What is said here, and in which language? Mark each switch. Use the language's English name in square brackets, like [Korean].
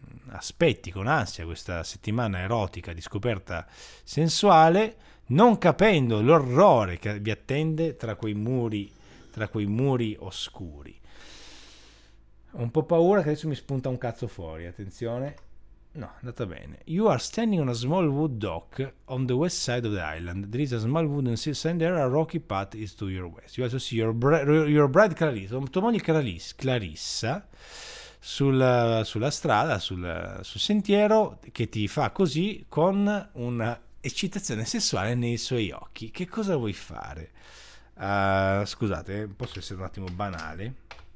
[Italian] Aspetti con ansia questa settimana erotica di scoperta sensuale, non capendo l'orrore che vi attende tra quei muri oscuri. Ho un po' paura che adesso mi spunta un cazzo fuori, attenzione. No, è andata bene. [English] You are standing on a small wood dock on the west side of the island. There is a small wooden sea sand there, a rocky path is to your west. You also see your bride Clarissa, [Italian] tua moglie Clarissa, sulla strada, sul sentiero, che ti fa così con un'eccitazione sessuale nei suoi occhi. Che cosa vuoi fare? Scusate, posso essere un attimo banale?